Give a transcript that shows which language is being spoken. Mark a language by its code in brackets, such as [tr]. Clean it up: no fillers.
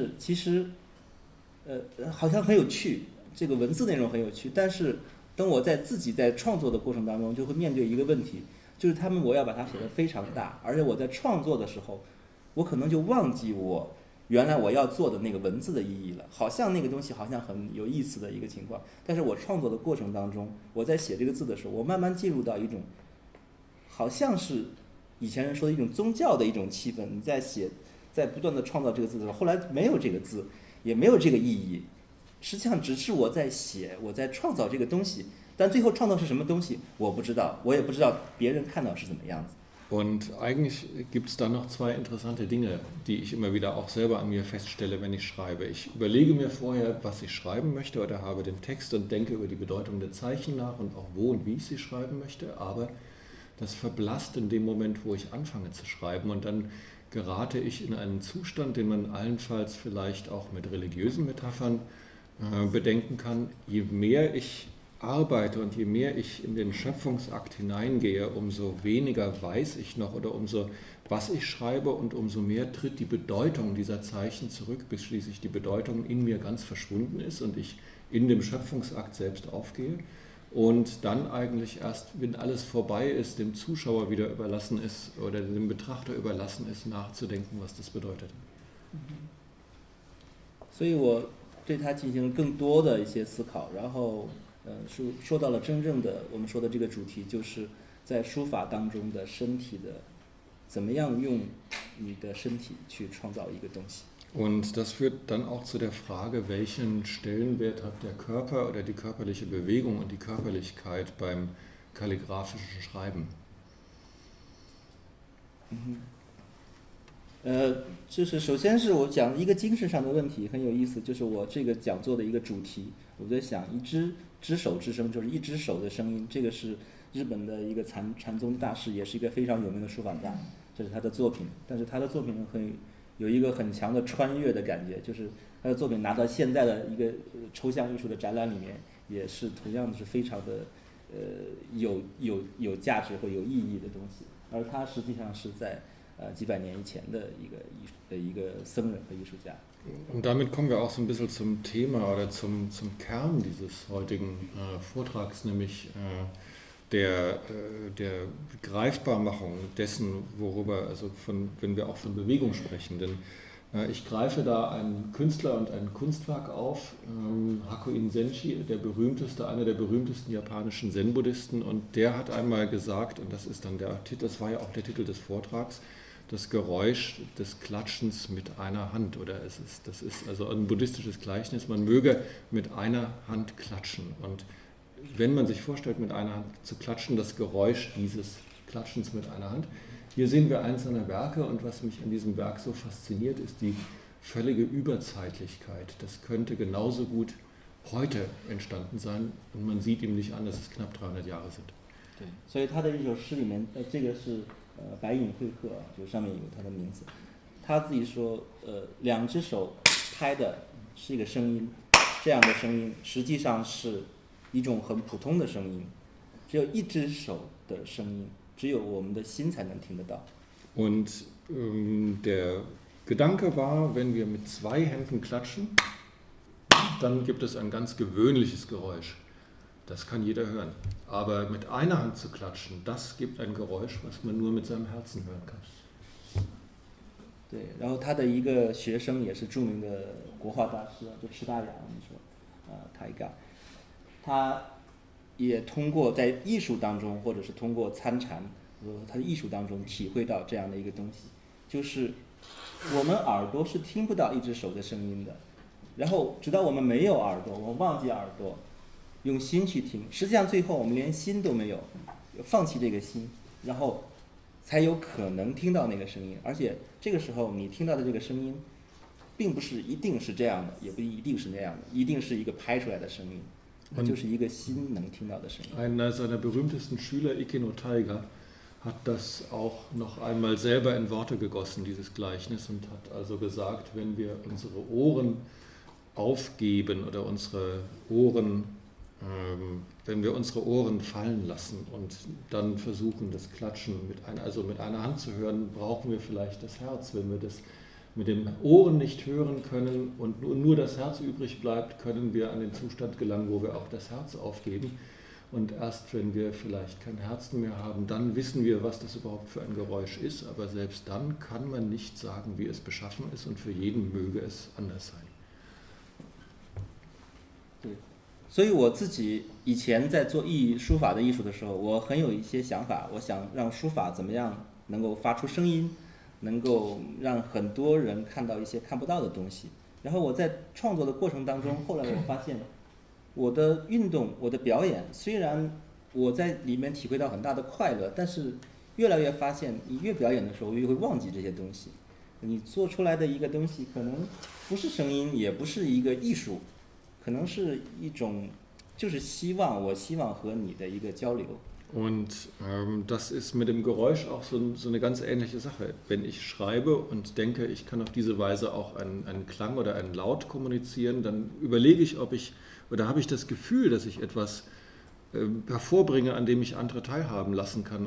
[de] Das ist ein sehr interessanter Punkt. [zh] 这个文字内容很有趣，但是等我在自己在创作的过程当中，就会面对一个问题，就是他们我要把它写得非常大，而且我在创作的时候，我可能就忘记我原来我要做的那个文字的意义了，好像那个东西好像很有意思的一个情况，但是我创作的过程当中，我在写这个字的时候，我慢慢进入到一种好像是以前人说的一种宗教的一种气氛，你在写在不断的创造这个字的时候，后来没有这个字，也没有这个意义，实际上只是我在写，我在创造这个东西，但最后创造是什么东西，我不知道，我也不知道别人看到是怎么样子。 [de] Und eigentlich gibt es da noch zwei interessante Dinge, die ich immer wieder auch selber an mir feststelle, wenn ich schreibe. Ich überlege mir vorher, was ich schreiben möchte oder habe den Text und denke über die Bedeutung der Zeichen nach und auch wo und wie ich sie schreiben möchte, aber das verblasst in dem Moment, wo ich anfange zu schreiben und dann gerate ich in einen Zustand, den man allenfalls vielleicht auch mit religiösen Metaphern bedenken kann, je mehr ich arbeite und je mehr ich in den Schöpfungsakt hineingehe, umso weniger weiß ich noch oder umso was ich schreibe und umso mehr tritt die Bedeutung dieser Zeichen zurück, bis schließlich die Bedeutung in mir ganz verschwunden ist und ich in dem Schöpfungsakt selbst aufgehe und dann eigentlich erst, wenn alles vorbei ist, dem Zuschauer wieder überlassen ist oder dem Betrachter überlassen ist, nachzudenken, was das bedeutet. So, ich [zh] 对他进行更多的一些思考，然后说到了真正的我们说的这个主题，就是在书法当中的身体的怎么样用你的身体去创造一个东西。 [de] Und das führt dann auch zu der Frage, welchen Stellenwert hat der Körper oder die körperliche Bewegung und die Körperlichkeit beim kalligraphischen Schreiben? [zh] 就是首先是我讲一个精神上的问题，很有意思，就是我这个讲座的一个主题，我在想一只只手之声，就是一只手的声音，这个是日本的一个禅宗大师，也是一个非常有名的书法家，这是他的作品，但是他的作品很有一个很强的穿越的感觉，就是他的作品拿到现在的一个抽象艺术的展览里面，也是同样是非常的有价值或有意义的东西，而他实际上是在几百年以前的一个僧人和艺术家。 [de] Und damit kommen wir auch so ein bisschen zum Thema oder zum Kern dieses heutigen Vortrags, nämlich der Greifbarmachung dessen, worüber, also von, wenn wir auch von Bewegung sprechen. Denn ich greife da einen Künstler und ein Kunstwerk auf, Hakuin Senshi, einer der berühmtesten japanischen Zen-Buddhisten. Und der hat einmal gesagt, und das ist dann der Titel, das war ja auch der Titel des Vortrags, das Geräusch des Klatschens mit einer Hand, oder das ist also ein buddhistisches Gleichnis, man möge mit einer Hand klatschen. Und wenn man sich vorstellt, mit einer Hand zu klatschen, das Geräusch dieses Klatschens mit einer Hand. Hier sehen wir eins seiner Werke und was mich an diesem Werk so fasziniert, ist die völlige Überzeitlichkeit. Das könnte genauso gut heute entstanden sein und man sieht ihm nicht an, dass es knapp 300 Jahre sind. So, in seinem Lied, das ist [zh] 白影会客，就上面有他的名字，他自己说两只手拍的是一个声音，这样的声音实际上是一种很普通的声音，只有一只手的声音，只有我们的心才能听得到。 [de] Und der Gedanke war, wenn wir mit zwei Händen klatschen, dann gibt es ein ganz gewöhnliches Geräusch. Das kann jeder hören. Aber mit einer Hand zu klatschen, das gibt ein Geräusch, was man nur mit seinem Herzen hören kann. [zh] 对，然后他的一个学生也是著名的国画大师，就迟大雅，我们说，泰戈，他也通过在艺术当中，或者是通过参禅，他的艺术当中体会到这样的一个东西，就是我们耳朵是听不到一只手的声音的，然后直到我们没有耳朵，我们忘记耳朵，用心去听，实际上最后我们连心都没有，放弃这个心，然后才有可能听到那个声音，而且这个时候你听到的这个声音并不是一定是这样的，也不一定是那样的，一定是一个拍出来的声音，它就是一个心能听到的声音。 [de] Einer seiner berühmtesten Schüler, Ikeno Taiga, hat das auch noch einmal selber in Worte gegossen, dieses Gleichnis, und hat also gesagt, wenn wir unsere Ohren aufgeben oder unsere Ohren, wenn wir unsere Ohren fallen lassen und dann versuchen, das Klatschen mit einer Hand zu hören, brauchen wir vielleicht das Herz. Wenn wir das mit den Ohren nicht hören können und nur das Herz übrig bleibt, können wir an den Zustand gelangen, wo wir auch das Herz aufgeben. Und erst wenn wir vielleicht kein Herzen mehr haben, dann wissen wir, was das überhaupt für ein Geräusch ist. Aber selbst dann kann man nicht sagen, wie es beschaffen ist, und für jeden möge es anders sein. [zh] 所以我自己以前在做书法的艺术的时候，我很有一些想法，我想让书法怎么样能够发出声音，能够让很多人看到一些看不到的东西。然后我在创作的过程当中，后来我发现我的运动，我的表演，虽然我在里面体会到很大的快乐，但是越来越发现你越表演的时候越会忘记这些东西，你做出来的一个东西可能不是声音，也不是一个艺术，可能是一种，就是希望，我希望和你的一个交流。 [de] Und das ist mit dem Geräusch auch so eine ganz ähnliche Sache. Wenn ich schreibe und denke, ich kann auf diese Weise auch einen Klang oder einen Laut kommunizieren, dann überlege ich, ob ich, oder habe ich das Gefühl, dass ich etwas hervorbringe, an dem ich andere teilhaben lassen kann.